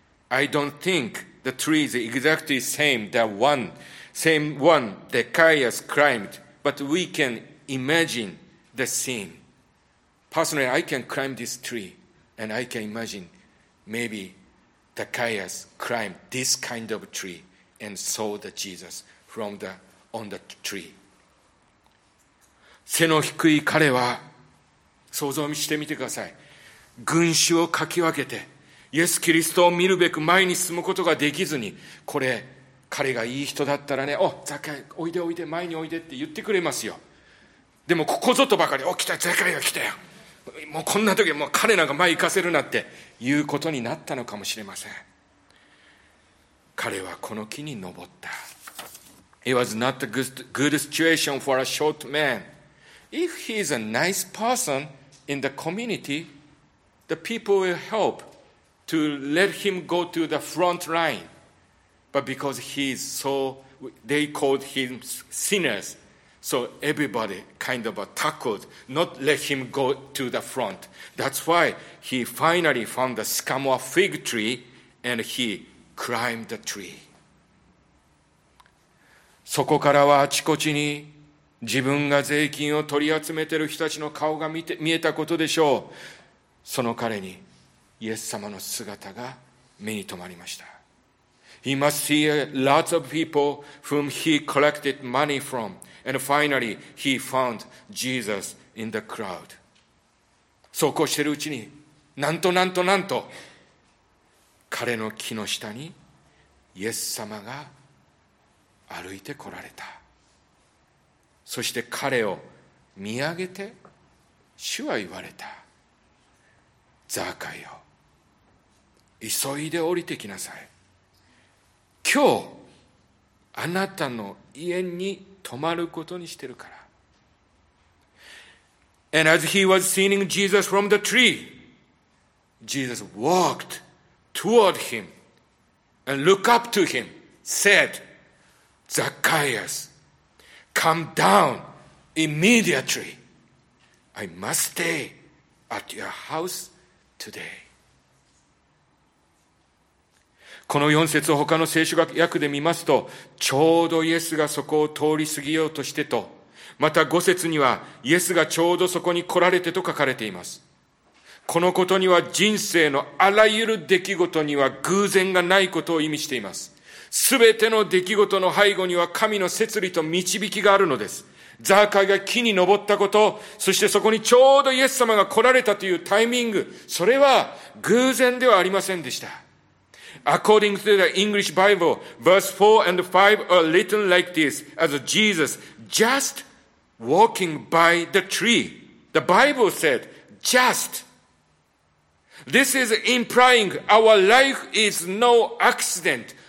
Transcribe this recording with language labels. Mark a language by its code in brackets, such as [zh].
[en] I don't think the tree is exactly same one Zacchaeus climbed, but we can imagine the scene. Personally, I can climb this tree, and I can imagine maybe. Zacchaeus climbed this kind of tree and saw the Jesus from the, on the tree. [ja] 背の低い彼は、想像してみてください。群衆をかき分けて、イエス・キリストを見るべく前に進むことができずに、これ、彼がいい人だったらね、お、ザカイ、おいでおいで、前においでって言ってくれますよ。でも、ここぞとばかり、お、来た、ザカイが来たよ。もうこんな時もう彼なんか前行かせるなっていうことになったのかもしれません。彼はこの木に登った。 [en] It was not a good situation for a short man. If he is a nice person in the community, the people will help to let him go to the front line. But because he is so, they called him sinners. So everybody kind of tackled, not let him go to the front. That's why he finally found the sycamore fig tree and he climbed the tree. [ja] そこからはあちこちに自分が税金を取り集めている人たちの顔が見えたことでしょう。その彼にイエス様の姿が目に留まりました。 [en] He must see lots of people whom he collected money from. And finally, he found Jesus in the crowd. [ja] そうこうしているうちに、なんとなんとなんと、彼の木の下にイエス様が歩いて来られた。そして彼を見上げて、主は言われた。ザーカイよ、急いで降りてきなさい。今日、あなたの家に泊まることにしてるから。 [en] And as he was seeing Jesus from the tree, Jesus walked toward him and looked up to him, said, Zacchaeus, come down immediately. I must stay at your house today. [ja] この4節を他の聖書訳で見ますと、ちょうどイエスがそこを通り過ぎようとしてと、また5節にはイエスがちょうどそこに来られてと書かれています。このことには人生のあらゆる出来事には偶然がないことを意味しています。すべての出来事の背後には神の摂理と導きがあるのです。ザーカイが木に登ったこと、そしてそこにちょうどイエス様が来られたというタイミング、それは偶然ではありませんでした。 [en] According to the English Bible, verse 4 and 5 are written like this, as Jesus just walking by the tree. The Bible said, just. This is implying our life is no accident.